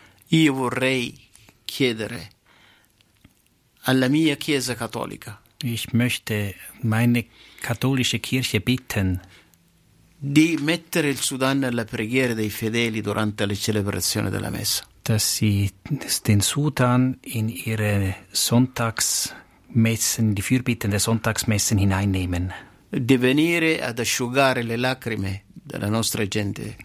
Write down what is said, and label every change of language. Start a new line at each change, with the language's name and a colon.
Italian: Io vorrei chiedere alla mia Chiesa Cattolica.
German: Ich möchte meine katholische Kirche bitten,
Italian: di mettere il Sudan alla preghiera dei fedeli durante la celebrazione della messa.
German: Dass sie den Sudan in ihre Sonntagsmessen, die Fürbitten der Sonntagsmessen hineinnehmen.
Italian: Di venire ad asciugare le lacrime della nostra gente.